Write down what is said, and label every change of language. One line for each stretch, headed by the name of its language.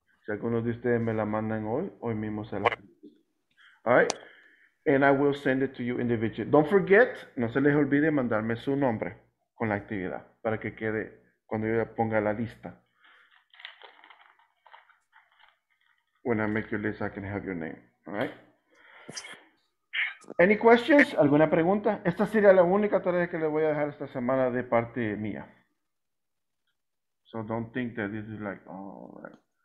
Spanish: Si algunos de ustedes me la mandan hoy mismo se la
English: alright, and I will send it to you individually. Don't forget,
Spanish: no se les olvide mandarme su nombre con la actividad para que quede cuando yo ponga la lista.
English: When I make your list, I can have your name. Alright. Any questions?
Spanish: ¿Alguna pregunta? Esta sería la única tarea que le voy a dejar esta semana de parte mía.
English: So don't think that this is like, oh, right.